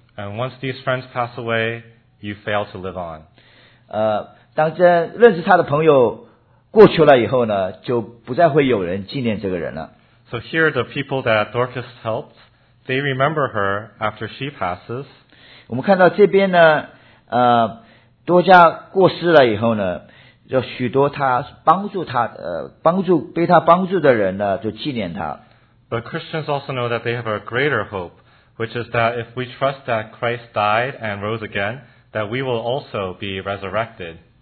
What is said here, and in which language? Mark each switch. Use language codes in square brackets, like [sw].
[en] And once these friends pass away, you fail to live on. [zh] 当这认识他的朋友过去了以后呢，就不再会有人纪念这个人了。 [en] So here, the people that Dorcas helped, they remember her after she passes. [zh] 我们看到这边呢，多加过世了以后呢，就许多他帮助被他帮助的人呢，就纪念他。 [en] But Christians also know that they have a greater hope, which is that if we trust that Christ died and rose again, that we will also be resurrected.